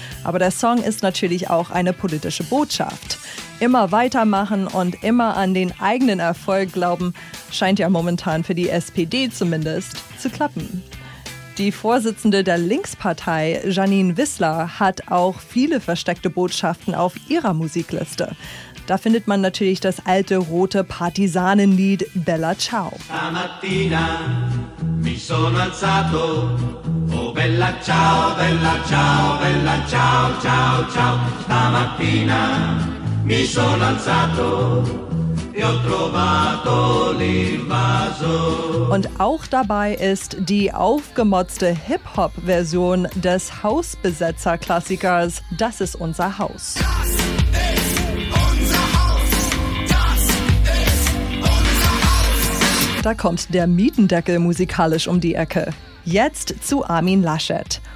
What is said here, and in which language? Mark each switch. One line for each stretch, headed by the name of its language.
German: Aber der Song ist natürlich auch eine politische Botschaft. Immer weitermachen und immer an den eigenen Erfolg glauben, scheint ja momentan für die SPD zumindest zu klappen. Die Vorsitzende der Linkspartei, Janine Wissler, hat auch viele versteckte Botschaften auf ihrer Musikliste. Da findet man natürlich das alte rote Partisanenlied Bella Ciao.
Italian: Stamattina mi sono alzato, oh bella ciao, bella ciao, bella ciao, ciao, ciao. Stamattina mi sono alzato e ho trovato l'invaso.
German: Und auch dabei ist die aufgemotzte Hip-Hop-Version des Hausbesetzer-Klassikers Das ist unser Haus. Da kommt der Mietendeckel musikalisch um die Ecke. Jetzt zu Armin Laschet.